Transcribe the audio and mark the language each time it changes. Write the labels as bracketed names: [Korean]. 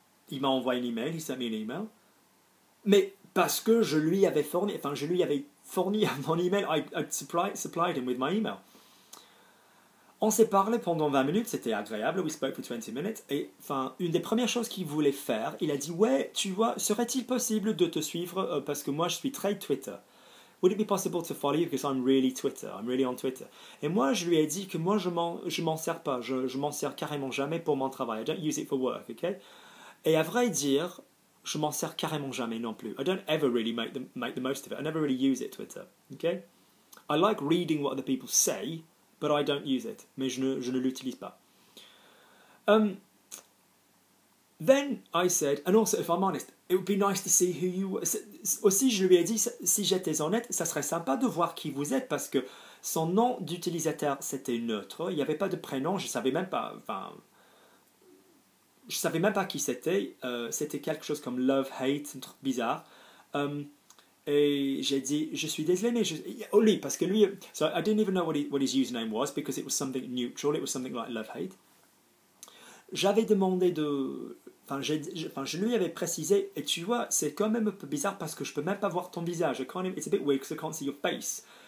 [French] Il m'a envoyé un email, il s'est mis un email. Mais parce que je lui avais fourni, enfin, je lui avais fourni mon email, [English] I supplied him with my email. [French] On s'est parlé pendant 20 minutes, c'était agréable, [English] we spoke for 20 minutes. [French] Et enfin, une des premières choses qu'il voulait faire, il a dit, ouais, tu vois, serait-il possible de te suivre parce que moi je suis très Twitter. [English] Would it be possible to follow you because I'm really Twitter, I'm really on Twitter. [French] Et moi je lui ai dit que moi je m'en sers pas, je m'en sers carrément jamais pour mon travail, [English] I don't use it for work, ok? [French] Et à vrai dire, je m'en sers carrément jamais non plus. [English] I don't ever really make the most of it. I never really use it, Twitter. Okay? I like reading what other people say, but I don't use it. [French] Mais je ne l'utilise pas. [English] Then I said, and also, if I'm honest, it would be nice to see who you. [French] Aussi, je lui ai dit, si j'étais honnête, ça serait sympa de voir qui vous êtes parce que son nom d'utilisateur, c'était neutre. Il n'y avait pas de prénom, je ne savais même pas. Enfin. Je ne savais même pas qui c'était. C'était quelque chose comme love, hate, un truc bizarre. Et j'ai dit, je suis désolé, mais oh, lui, parce que lui. [English] So I didn't even know what his username was, because it was something neutral. It was something like love, hate. [French] J'avais demandé de. Enfin, je lui avais précisé, et tu vois, c'est quand même un peu bizarre parce que je ne peux même pas voir ton visage. [English] It's a bit weird because I can't see your face.